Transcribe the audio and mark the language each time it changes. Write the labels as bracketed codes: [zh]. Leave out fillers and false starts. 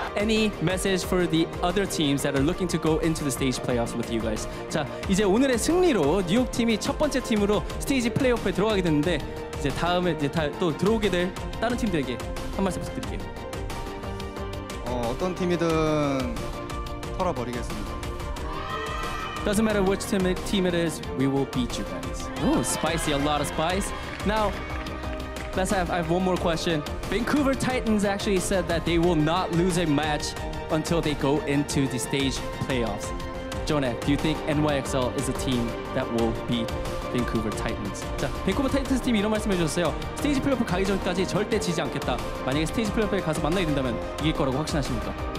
[en] Any message for the other teams that are looking to go into the stage playoffs with you guys? [ko] 자, 이제 오늘의 승리로 뉴욕 팀이 첫 번째 팀으로 스테이지 플레이오프에 들어가게 됐는데 이제 다음에 이제 또 들어오게 될 다른 팀들에게 한 말씀 부탁드릴게요. 어떤 팀이든 털어버리겠습니다. [en] Doesn't matter which team it is, we will beat you guys. Ooh, spicy, a lot of spice. Now, I have one more question. Vancouver Titans actually said that they will not lose a match until they go into the stage playoffs. Jonah, do you think NYXL is a team that will beat Vancouver Titans? [ko] 자, Vancouver Titans 팀 이런 말씀해 주셨어요. 스테이지 플레이오프 가기 전까지 절대 지지 않겠다. 만약에 스테이지 플레이오프에 가서 만나게 된다면 이길 거라고 확신하십니까?